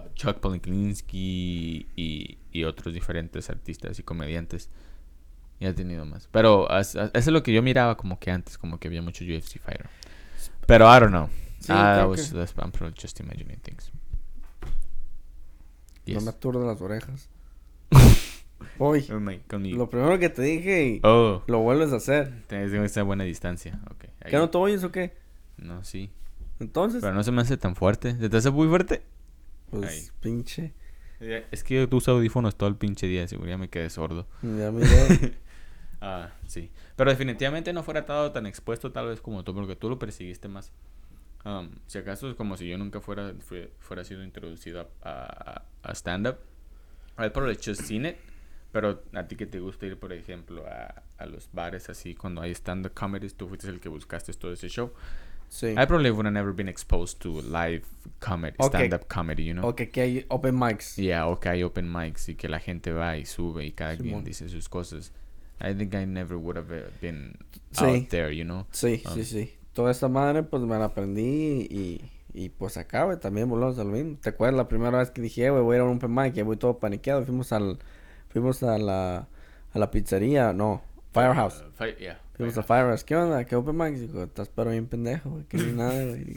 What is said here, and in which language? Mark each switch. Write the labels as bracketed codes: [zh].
[es] Chuck Palahniuk y otros diferentes artistas y comediantes. Y ha tenido más. Pero eso es lo que yo miraba como que antes, como que había mucho UFC fighter. [en] Pero I don't know. Sí, that was, que... I'm probably just imagining things. [es] Yes. No me aturdo las orejas. Voy. Oh my, con mi... Lo primero que te dije y lo vuelves a hacer. Tienes que estar a buena distancia. Okay, ¿qué no te oyes o qué? No, sí. Entonces. Pero no se me hace tan fuerte. ¿Se te hace muy fuerte? Pues, ahí. Pinche. Es que yo uso audífonos todo el pinche día. Seguro ya me quedé sordo. Ya me quedé. Sí. Pero definitivamente no fuera estado tan expuesto tal vez como tú. Porque tú lo persiguiste más. Si acaso es como si yo nunca fuera sido introducido a stand-up. [en] I probably just seen it. [es] Pero a ti que te gusta ir, por ejemplo, a los bares así. Cuando hay stand-up comedies. Tú fuiste el que buscaste todo ese show. Sí. [en] I probably would have never been exposed to live comedy, okay. Stand-up comedy, you know? [es] Okay, que hay open mics. Yeah, okay, hay open mics y que la gente va y sube y cada quien dice sus cosas. [en] I think I never would have been out there, you know? [es] Sí, sí. Toda esta madre, pues, me la aprendí y pues, acá, güey, también volvamos a lo mismo. ¿Te acuerdas la primera vez que dije, güey, voy a ir a un open mic? Y voy todo paniqueado. Fuimos a la pizzería, no, Firehouse. Vimos a Firehouse, ¿qué onda? ¿Qué open mic? Dijo, estás pero bien pendejo, güey, que ni nada, güey.